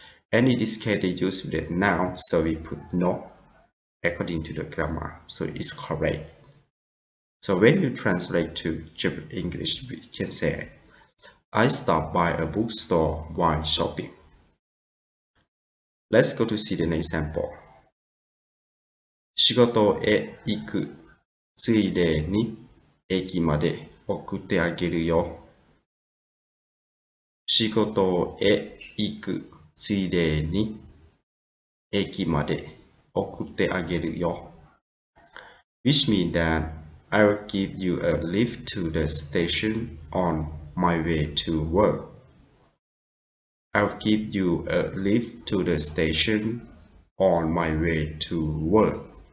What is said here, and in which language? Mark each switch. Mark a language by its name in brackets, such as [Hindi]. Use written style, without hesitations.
[English] And it is clearly used with a noun, so we put no according to the grammar, so it's correct. So when you translate to English, we can say, I stopped by a bookstore while shopping. Let's go to see the next example. [Japanese] 仕事へ行くついでに駅まで送ってあげるよ。仕事へ行くついでに駅まで送ってあげるよ。 [English] Which means that I will give you a lift to the station on my way to work. I'll give you a lift to the station on my way to work.